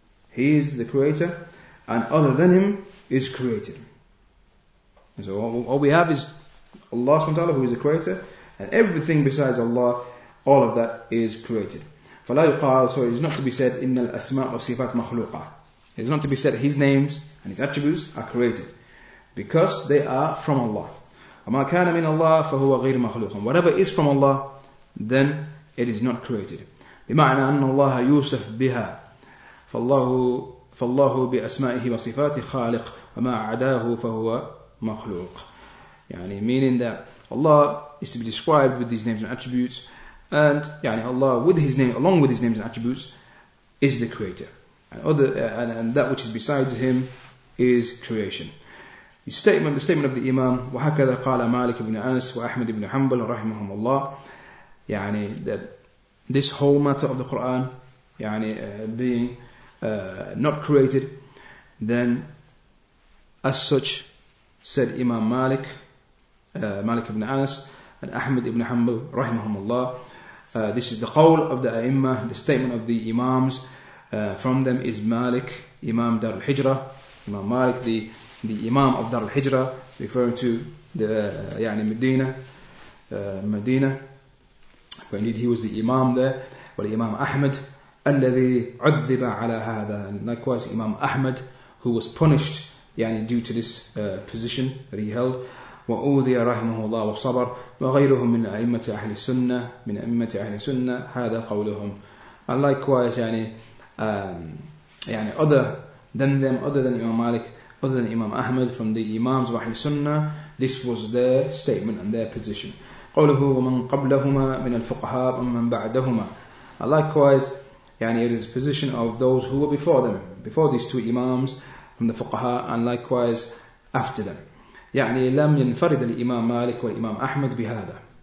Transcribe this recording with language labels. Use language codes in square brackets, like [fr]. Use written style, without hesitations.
[en] He is the creator, and other than Him is created. And so all we have is Allah subhanahu wa ta'ala, who is the creator, and everything besides Allah, all of that is created. [ar] فلا يقال, [en] so it is not to be said [ar] إن الأسماء والصفات مخلوقة. [en] It is not to be said His names and His attributes are created, because they are from Allah. [ar] وما كان من الله فهو غير مخلوق. [en] Whatever is from Allah, then it is not created. [ar] بمعنى أن الله يوصف بها فالله بأسمائه وصفاته خالق وما عداه فهو مخلوق. [en] يعني meaning that Allah is to be described with these names and attributes, and يعني Allah with His name, along with His names and attributes, is the creator. And that which is besides Him is creation. The statement of the Imam, [ar] وَهَكَذَا قَالَ مَالِكَ بْنُ أَنَسِ وَأَحْمَدِ بْنُ حَنْبَلَ رَحِمَهُمُ اللَّهِ. [en] يعني that this whole matter of the Quran, يعني being not created, then as such said Imam Malik, Malik ibn Anas and Ahmad ibn Hanbal rahimahumullah, this is the qawl of the a'imma, the statement of the imams. From them is Malik, Imam Dar al-Hijra, Imam Malik, the Imam of Dar al-Hijra, referring to the يعني Medina, Medina, but indeed he was the Imam there. But Imam Ahmad [ar] الذي عذب على هذا, [en] likewise Imam Ahmad, who was punished يعني due to this position that he held. [ar] وأوذي رحمه الله وصبر وغيرهم من أئمة أهل السنة من أئمة أهل السنة هذا قولهم. [en] And likewise يعني يعني other than Imam Malik, other than Imam Ahmad, from the Imams of Ahl Sunnah, this was their statement and their position. [ar] قوله ومن قبلهما من الفقهاء ومن بعدهما. [en] And likewise يعني it is the position of those who were before them, before these two Imams, from the فقهاء, and likewise after them. [ar] يعني لم ينفرد الإمام مالك والإمام أحمد بهذا.